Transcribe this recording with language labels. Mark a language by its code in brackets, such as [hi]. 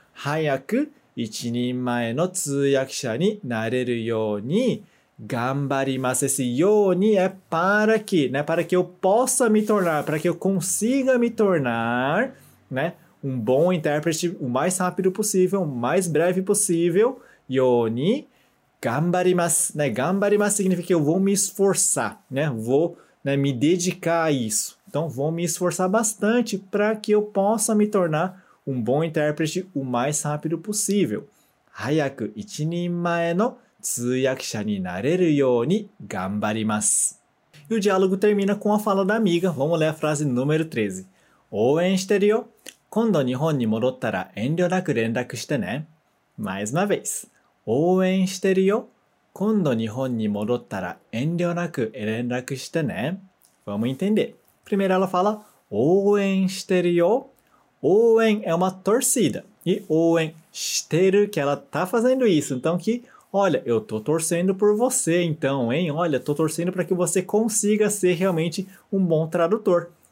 [ja] 早く一人前の通訳者になれるように頑張りますようにえ、 [pt] para que, né, para que eu possa me tornar, para que eu consiga me tornar, né, um bom intérprete o mais rápido possível, o mais breve possível, [ja] ように頑張ります, [pt] né, 頑張ります significa que eu vou me esforçar, né, vou, né, me dedicar a isso. Então, vou me esforçar bastante para que eu possa me tornar um bom intérprete o mais rápido possível. [ja] 早く一人前の通訳者になれるように頑張ります。 [pt] E o diálogo termina com a fala da amiga. Vamos ler a frase número 13. [ja] 応援してるよ。今度日本に戻ったら遠慮なく連絡してね。 [pt] Mais uma vez. [ja] 応援してるよ。今度日本に戻ったら遠慮なく連絡してね。 [pt] Vamos entender. Primeiro ela fala [ja] 応援してるよ。 [pt] 応援 é uma torcida. E [ja] 応援してる [pt] que ela está fazendo isso. Então que... Olha, eu tô torcendo por você, então, hein? Olha, tô torcendo para que você consiga ser realmente um bom tradutor.